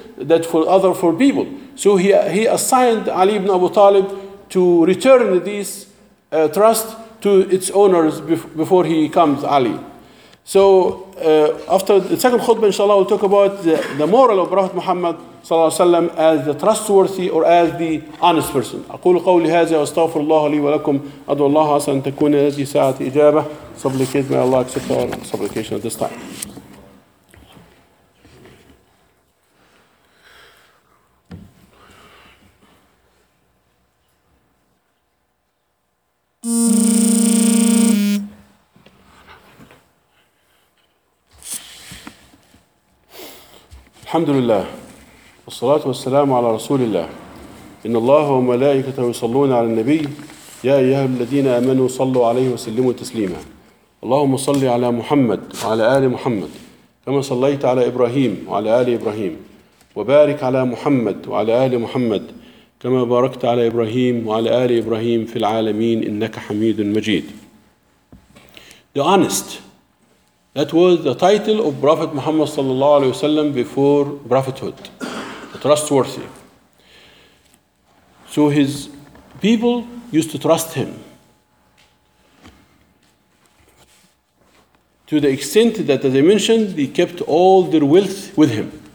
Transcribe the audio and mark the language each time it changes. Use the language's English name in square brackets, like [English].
[English] that for other for people. So he assigned Ali ibn Abu Talib to return this trust to its owners before he comes Ali. So after the second khutbah, inshallah, we'll talk about the moral of Prophet Muhammad [Arabic] صلى الله عليه وسلم [English] as the trustworthy or as the honest person. [Arabic] أقول قولي هذا وأستغفر الله لي ولكم أدعو الله عسى أن تكون هذه ساعة إجابة [English] supplicate may Allah accept our supplication at this time. [Arabic] الحمد لله والصلاة والسلام على رسول الله إن الله وملائكته يصلون على النبي يا أيها الذين آمنوا صلوا عليه وسلموا تسليما اللهم صل على محمد وعلى آل محمد كما صليت على إبراهيم وعلى آل إبراهيم وبارك على محمد وعلى آل محمد كما باركت على إبراهيم وعلى آل إبراهيم في العالمين إنك حميد مجيد. [English] The honest, that was the title of Prophet Muhammad sallallahu alaihi wasallam before prophethood, the trustworthy. So his people used to trust him to the extent that, as I mentioned, they kept all their wealth with him.